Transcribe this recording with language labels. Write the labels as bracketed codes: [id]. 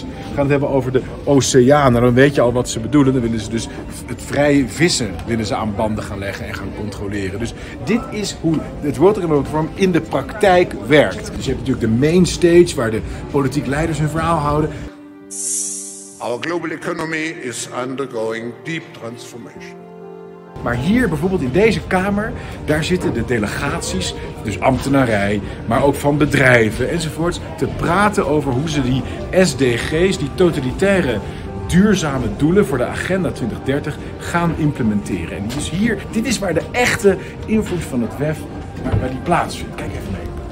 [nl] Ze gaan het hebben over de oceanen, dan weet je al wat ze bedoelen. Dan willen ze dus het vrije vissen willen ze aan banden gaan leggen en gaan controleren. Dus dit is hoe het World Economic Forum in de praktijk werkt. Dus je hebt natuurlijk de main stage waar de politiek leiders hun verhaal houden. [en] Our global economy is undergoing deep transformation. [nl] Maar hier bijvoorbeeld in deze kamer, daar zitten de delegaties, dus ambtenarij, maar ook van bedrijven enzovoorts, te praten over hoe ze die SDG's, die totalitaire duurzame doelen voor de Agenda 2030, gaan implementeren. En dus hier, dit is waar de echte invloed van het WEF waar die plaatsvindt. Kijk even mee.